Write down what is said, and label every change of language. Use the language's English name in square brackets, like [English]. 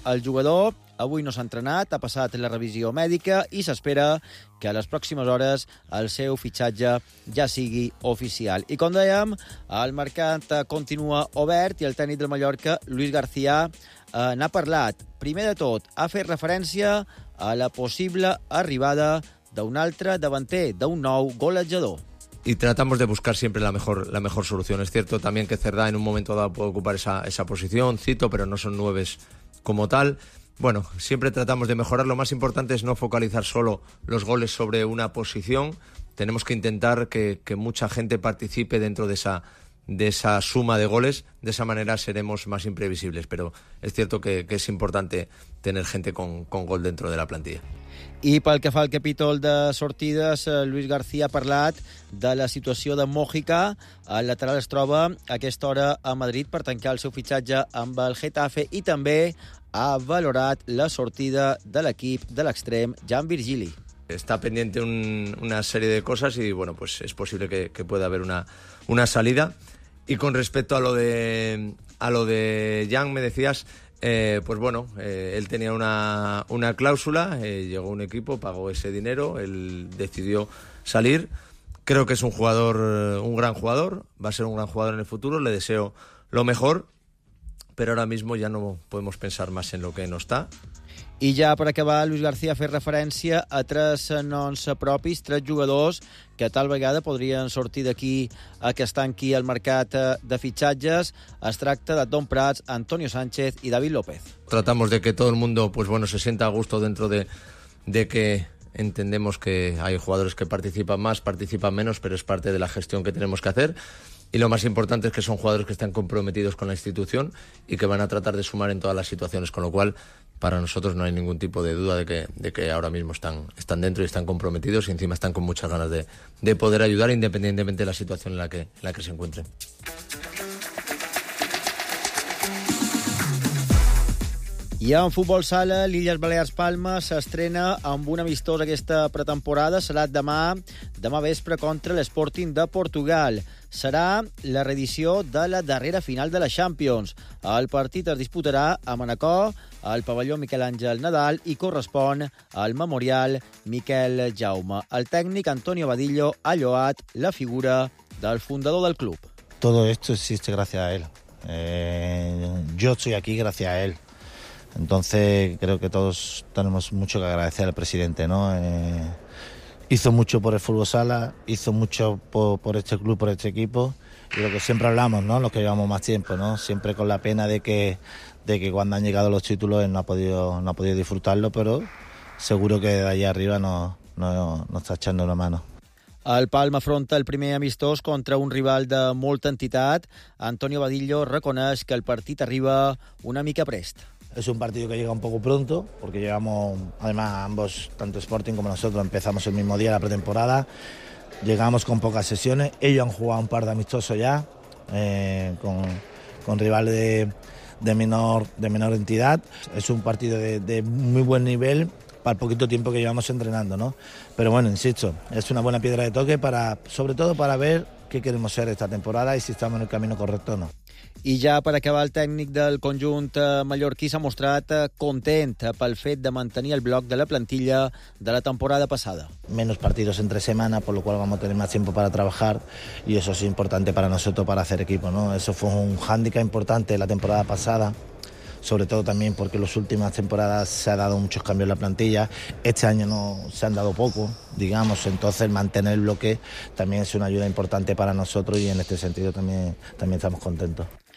[Catalan] El jugador avui no s'ha entrenat, ha passat la revisió mèdica i s'espera que a les pròximes hores el seu fitxatge ja sigui oficial. I com dèiem, el mercat continua obert i el tècnic del Mallorca, Luis García, n'ha parlat. Primer de tot, ha fet referència a la possible arribada d'un altre davanter, d'un nou golejador. [Spanish] Y tratamos de buscar siempre la mejor solución. Es cierto también que Cerdà en un momento dado puede ocupar esa posición, cito, pero no son nueves como tal. Bueno, siempre tratamos de mejorar. Lo más importante es no focalizar solo los goles sobre una posición. Tenemos que intentar que mucha gente participe dentro de esa suma de goles. De esa manera seremos más imprevisibles. Pero es cierto que es importante tener gente con gol dentro de la plantilla. [Catalan] I pel que fa al capítol de sortides, Luis García ha parlat de la situació de Mójica. El lateral es troba a aquesta hora a Madrid per tancar el seu fitxatge amb el Getafe, i també ha valorat la sortida de l'equip de l'extrem Jan Virgili. [Spanish] Está pendiente una serie de cosas y bueno, pues es posible que pueda haber una salida. Y con respecto a lo de Jan, me decías, pues bueno, él tenía una cláusula, llegó un equipo, pagó ese dinero, él decidió salir. Creo que es un jugador, un gran jugador, va a ser un gran jugador en el futuro, le deseo lo mejor. Pero ahora mismo ya no podemos pensar más en lo que no está. [Catalan] I ja per acabar, Luis García ha fet referència a tres noms propis, tres jugadors que tal vegada podrien sortir d'aquí a que es tanqui el mercat de fitxatges. Es tracta de Don Prats, Antonio Sánchez i David López. [Spanish] Tratamos de que todo el mundo, pues bueno, se sienta a gusto dentro de que entendemos que hay jugadores que participan más, participan menos, pero es parte de la gestión que tenemos que hacer. Y lo más importante es que son jugadores que están comprometidos con la institución y que van a tratar de sumar en todas las situaciones, con lo cual para nosotros no hay ningún tipo de duda de que ahora mismo están dentro y están comprometidos y encima están con muchas ganas de poder ayudar independientemente de la situación en la que se encuentren. [Catalan] I en futbol sala, l'Illes Balears Palma s'estrena amb un amistós aquesta pretemporada. Serà demà vespre contra l'Sporting de Portugal. Serà la reedició de la darrera final de la Champions. El partit es disputarà a Manacor, al pavelló Miquel Àngel Nadal, i correspon al memorial Miquel Jaume. El tècnic Antonio Vadillo ha lloat la figura del fundador del club. [Spanish] Todo esto existe gracias a él. Yo estoy aquí gracias a él. Entonces creo que todos tenemos mucho que agradecer al presidente, ¿no? Hizo mucho por el fútbol sala, hizo mucho por este club, por este equipo, y lo que siempre hablamos, ¿no? Los que llevamos más tiempo, ¿no? Siempre con la pena de que cuando han llegado los títulos él no ha podido disfrutarlo, pero seguro que de allá arriba no está echando una mano. [Catalan] El Palma afronta el primer amistós contra un rival de molta entitat. Antonio Vadillo reconeix que el partit arriba una mica prest. [Spanish] Es un partido que llega un poco pronto, porque llevamos, además, ambos, tanto Sporting como nosotros, empezamos el mismo día la pretemporada, llegamos con pocas sesiones, ellos han jugado un par de amistosos ya, con rivales de menor entidad. Es un partido de muy buen nivel para el poquito tiempo que llevamos entrenando, ¿no? Pero bueno, insisto, es una buena piedra de toque, sobre todo para ver qué queremos ser esta temporada y si estamos en el camino correcto o no. [Catalan] I ja per acabar, el tècnic del conjunt mallorquí s'ha mostrat content pel fet de mantenir el bloc de la plantilla de la temporada passada. [Spanish] Menos partidos entre semana, por lo cual vamos a tener más tiempo para trabajar y eso es importante para nosotros para hacer equipo, ¿no? Eso fue un hándicap importante la temporada pasada, sobre todo también porque las últimas temporadas se ha dado muchos cambios en la plantilla. Este año no se han dado poco, digamos, entonces mantener el bloque también es una ayuda importante para nosotros y en este sentido también estamos contentos.